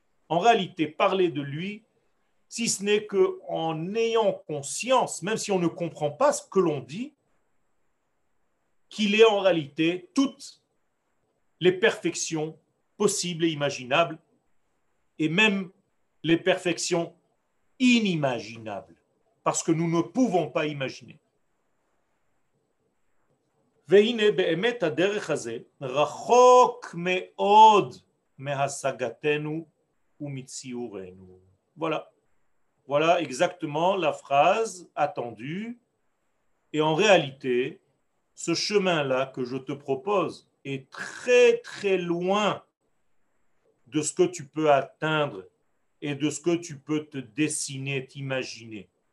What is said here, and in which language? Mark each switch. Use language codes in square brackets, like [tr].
[fr] en réalité parler de lui, si ce n'est qu'en ayant conscience, même si on ne comprend pas ce que l'on dit, qu'il est en réalité toutes les perfections possibles et imaginables, et même les perfections inimaginables, parce que nous ne pouvons pas imaginer. [he] והנה באמת הדרך הזה רחוק מאוד מהשגתנו ומציורנו. [fr] Voilà. Voilà exactement la phrase attendue. Et en réalité, ce chemin-là que je te propose est très très loin de ce que tu peux atteindre et de ce que tu peux te dessiner, t'imaginer.